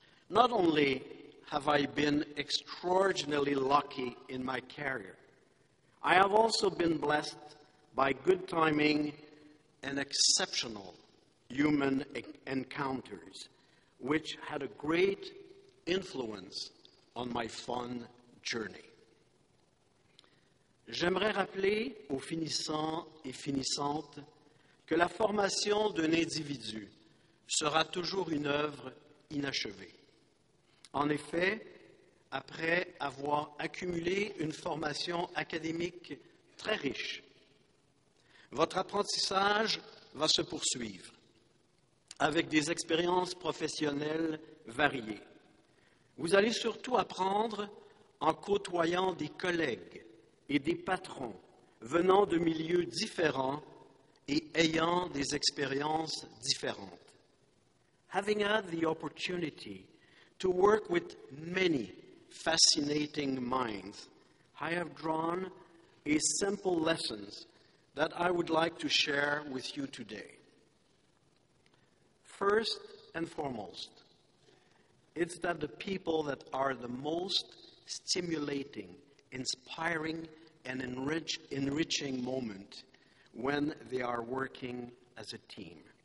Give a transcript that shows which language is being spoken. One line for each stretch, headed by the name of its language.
English: Not only have I been extraordinarily lucky in my career, I have also been blessed by good timing and exceptional human encounters, which had a great influence on my fun journey.
French: J'aimerais rappeler aux finissants et finissantes que la formation d'un individu sera toujours une œuvre inachevée. En effet, après avoir accumulé une formation académique très riche, votre apprentissage va se poursuivre avec des expériences professionnelles variées. Vous allez surtout apprendre en côtoyant des collègues et des patrons venant de milieux différents et ayant des expériences différentes.
English: Having had the opportunity to work with many fascinating minds, I have drawn a simple lesson that I would like to share with you today. First and foremost, it's that the people that are the most stimulating, inspiring, and enriching moment when they are working as a team.